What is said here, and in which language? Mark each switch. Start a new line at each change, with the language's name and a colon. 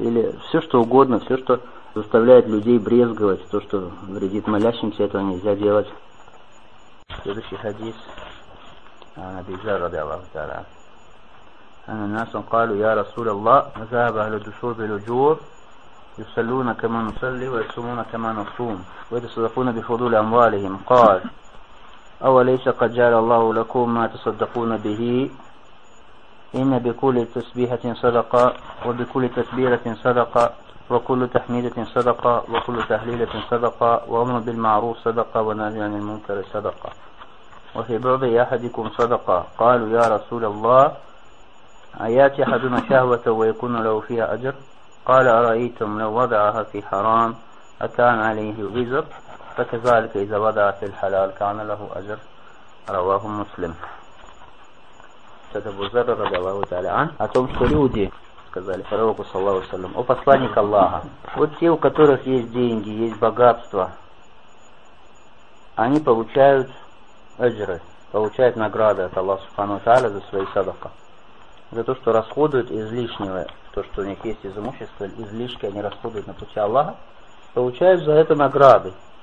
Russian: Или все, что угодно, все, что заставляет людей брезговать, то, что вредит молящимся, этого нельзя делать. Следующий хадис.
Arabic: Ан Аби Зарр ради Аллаху Тааля. Ан ан-нас калу я расул Аллах, мазааба аль душур биль уджур. يصلون كما نصلي ويصومون كما نصوم ويتصدقون بفضول أموالهم قال أوليس قد جعل الله لكم ما تصدقون به إن بكل تسبيحة صدقة وبكل تكبيرة صدقة وكل تحميدة صدقة وكل تهليلة صدقة وأمر بالمعروف صدقة ونهي عن المنكر صدقة وفي بعض أحدكم صدقة قالوا يا رسول الله أيأتي أحدنا شهوة ويكون له فيها أجر قال أرأيتم لو وضعها في حرام أكان عليه وزر فكذلك إذا وضع في الحلال كان له أجر رواه مسلم.
Russian: Абу Зарр
Arabic: رضي الله تعالى عنه
Russian: о том, что люди сказали пророку саллаллаху алейхи ва саллям, о посланник Аллаха, вот те, у которых есть деньги, есть богатство, они получают аджры, получают награды от Аллаха субхана ва тааля за свои садака, за то, что расходуют излишнего, то, что у них есть из имущества, излишки они расходуют на пути Аллаха, получают за это награды.